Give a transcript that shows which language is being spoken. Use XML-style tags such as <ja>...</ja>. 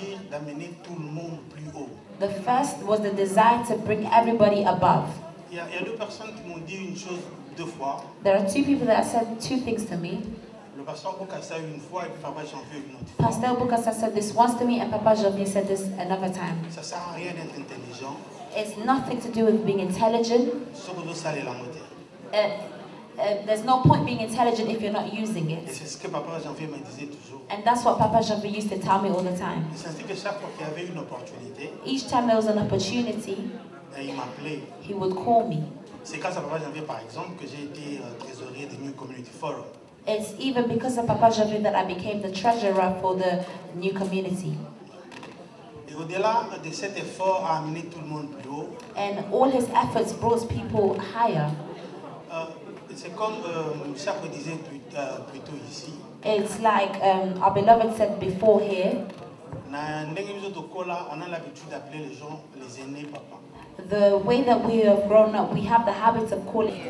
<en>The first was the desire to bring everybody above.</en> <fr>Il y a deux personnes qui m'ont dit une chose deux fois.</fr> <en>There are two people that have said two things to me.</en> <fr>Le pasteur Bukasa une fois et Papa Janvier une autre.</fr> <en>Pasteur Bukasa said this once to me and Papa Janvier said this another time.</en> <fr>Ça sert à rien d'être intelligent.</fr> <en>It's nothing to do with being intelligent.</en> <fr>Ce que vous savez la moitié.</fr> <en>There's no point being intelligent if you're not using it.</en> <fr>Et c'est ce que Papa Janvier me disait toujours.</fr> <en>And that's what Papa Janvier used to tell me all the time.</en> <fr>Il sentait que chaque fois qu'il y avait une opportunité.</fr> <en>Each time there was an opportunity.</en> <fr>Et il m'appelait.</fr> <en>He would call me.</en> <fr>C'est grâce à Papa Janvier, par exemple, que j'ai été trésorier de New Community Forum.</fr> <en>It's even because of Papa Janvier that I became the treasurer for the New Community.</en> <fr>Et au-delà de cet effort à amener tout le monde plus haut.</fr> <en>And all his efforts brought people higher.</en> <fr>C'est comme Chaco disait plus tôt ici.</fr> <en>It's like our beloved said before here.</en> <ln>Na ndenge mizo tokola,</ln> <fr>on a l'habitude d'appeler les gens les aînés papa.</fr> <en>The way that we have grown up, we have the habit of calling.</en>